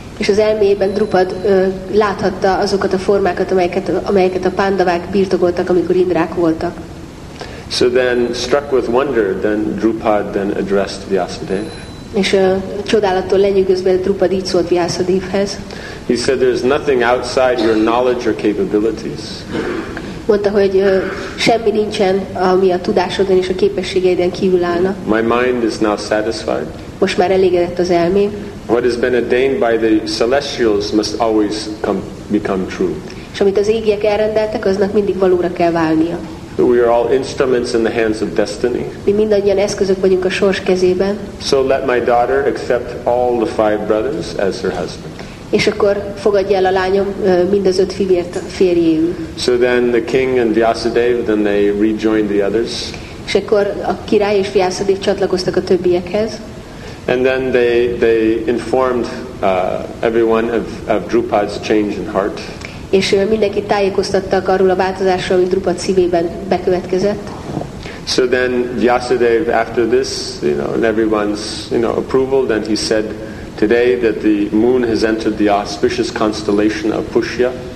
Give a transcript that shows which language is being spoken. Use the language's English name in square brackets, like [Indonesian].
[Hungarian] És az elméjében Drupad láthatta azokat a formákat, amelyeket a Pandavák birtokoltak, amikor Indrák voltak. [English] So then, struck with wonder, then Drupad then addressed Vyasadeva. [Hungarian] És csodálattól lenyűgözve Drupad így szólt Vyasadevhez. [English] He said, "There's nothing outside your knowledge or capabilities." [Hungarian] Mondta, hogy semmi nincsen, ami a tudásodon és a képességeiden kívül állna. [English] My mind is now satisfied. [Hungarian] Most már elégedett az elmém. [English] What has been ordained by the celestials must always become true. [Hungarian] És amit az égiek elrendeltek, aznak mindig valóra kell válnia. [English] We are all instruments in the hands of destiny. [Hungarian] Mi mindannyian eszközök vagyunk a sors kezében. [English] So let my daughter accept all the five brothers as her husband. [Hungarian] És akkor fogadja el a lányom mindaz öt fivért férjéül. [English] So then the king and Vyasadeva, then they rejoined the others. [Hungarian] És akkor a király és Vyasadeva csatlakoztak a többiekhez. [English] And then they informed everyone of Drupad's change in heart. [Hungarian] És mindenkit tájékoztattak arról a változásról, ami Drupad szívében bekövetkezett. [English] So then Vyasadeva, after this, you know, and everyone's, you know, approval, then he said today that the moon has entered the auspicious constellation of Pushya.